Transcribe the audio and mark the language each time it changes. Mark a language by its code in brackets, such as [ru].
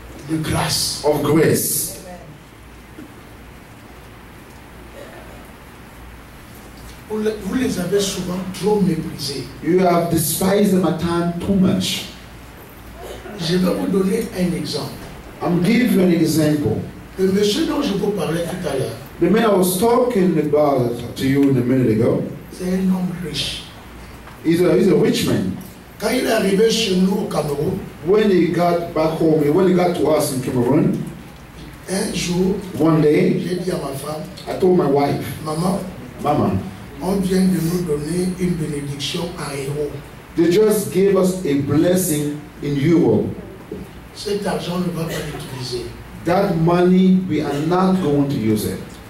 [fr] De grâce. [en] Of grace. [fr] Vous les avez souvent trop méprisés. [en] You have despised them at times too much. [fr] Je vais vous donner un exemple. [en] I'm giving you an example. [fr] Le monsieur dont je vous parlais tout à l'heure. [en] The man I was talking about to you a minute ago. [fr] C'est un homme riche. [en] He's a rich man. [fr] Quand il est arrivé chez nous au Cameroun. [en] When he got back home, when he got to us in Cameroon. [fr] Un jour. [en] One day. [fr] J'ai dit à ma femme. [en] I told my wife. [fr] Mama. On vient de nous donner une bénédiction à Europe. [en] They just gave us a blessing in Europe. [fr] Cet argent ne va pas l'utiliser. [en] That money, we are not going to use it.